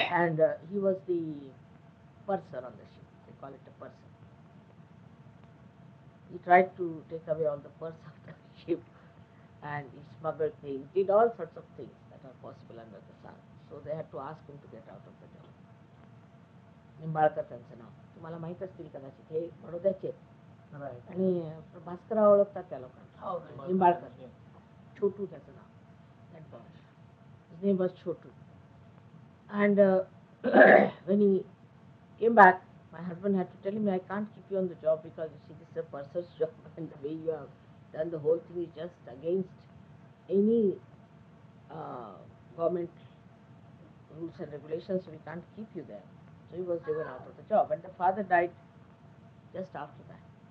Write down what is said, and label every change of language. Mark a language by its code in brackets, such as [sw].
[en] And he was the purser on the ship. They call it a purser. He tried to take away all the purse of the ship. And he smuggled things, did all sorts of things that are possible under the sun. So they had to ask him to get out of the job. [mr] आणि बाळकर त्यांचं नाव तुम्हाला माहीत असतील कदाचित हे बडोद्याचे आणि भास्करराव ओळखतात त्या लोकांना निंबाळकर छोटू त्याचं नाव बस [en] Chhotu and when you came back my husband had to tell me I can't keep you on the job because you see this a person's job and the way you have done the whole thing is just against any government rules and regulations, we can't keep you there. So he was driven out of the job. And the father died just after that.